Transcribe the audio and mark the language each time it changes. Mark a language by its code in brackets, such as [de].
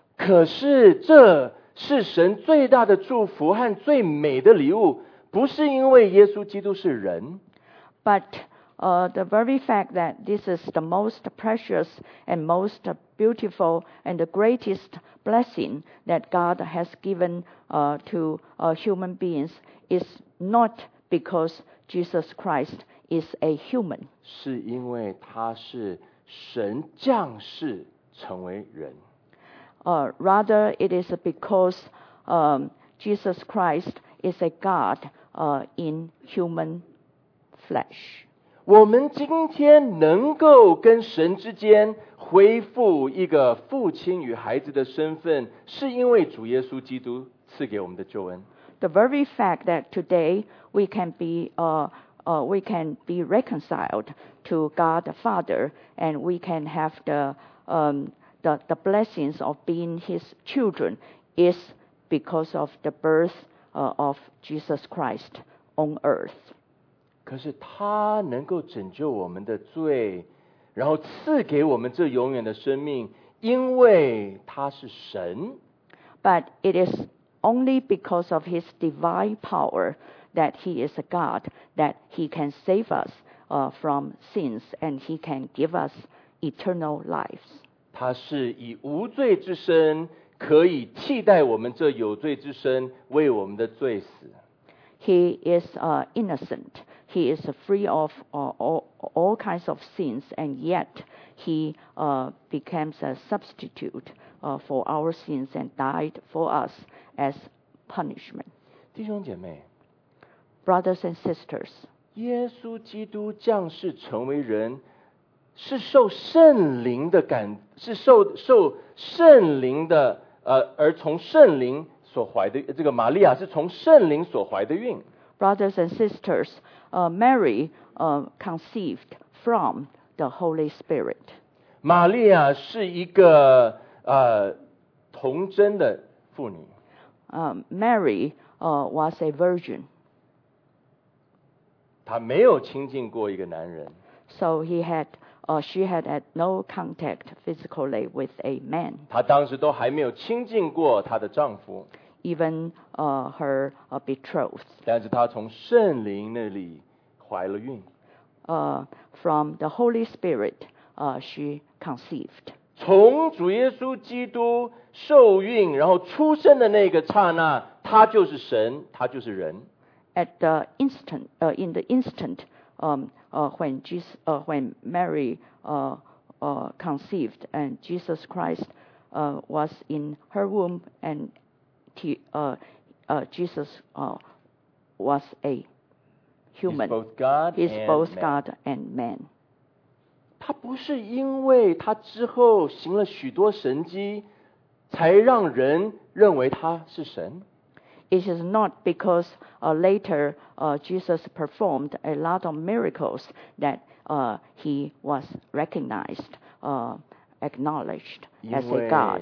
[zh] 可是这是神最大的祝福和最美的礼物，不是因为耶稣基督是人。 [en] But the very fact that this is the most precious and most beautiful and the greatest blessing that God has given to human beings is not because Jesus Christ is a human. [zh] 是因为他是神降世成为人。 [en] Rather, it is because Jesus Christ is a God in human flesh. [zh] 我们今天能够跟神之间恢复一个父亲与孩子的身份，是因为主耶稣基督赐给我们的救恩。 [en] The very fact that today we can be reconciled to God the Father, and we can have the blessings of being His children is because of the birth of Jesus Christ on earth. [zh] 可是他能够拯救我们的罪，然后赐给我们这永远的生命，因为他是神。 [en] But it is only because of His divine power that He is a God, that He can save us from sins and He can give us eternal lives. [zh] 他是以无罪之身可以替代我们这有罪之身，为我们的罪死。 [en] He is innocent. He is free of all kinds of sins, and yet He becomes a substitute for our sins and died for us as punishment. [zh] 弟兄姐妹， [en] Brothers and sisters, [zh] 耶稣基督降世成为人，是受圣灵的感，是 受圣灵的而从圣灵所怀的，这个玛利亚是从圣灵所怀的孕。 [en] Brothers and sisters, Mary conceived from the Holy Spirit. [zh] 玛利亚是一个童贞的妇女。 [en] Mary was a virgin. [zh] 她没有亲近过一个男人。 [en] So he had, she had had no contact physically with a man. [zh] 她当时都还没有亲近过她的丈夫。 [en] Even her betrothed. [zh] 但是她从圣灵那里怀了孕。 [en] From the Holy Spirit, she conceived. [zh] 从主耶稣基督受孕然后出生的那个刹那他就是神他就是人 [en] At the instant, in the instant, when, Jesus, when Mary conceived and Jesus Christ was in her womb and Jesus was a human. He's both God, He's both God and man. [zh] 他不是因为他之后行了许多神迹才让人认为他是神。 [en] It is not because later Jesus performed a lot of miracles that he was recognized, acknowledged as a God.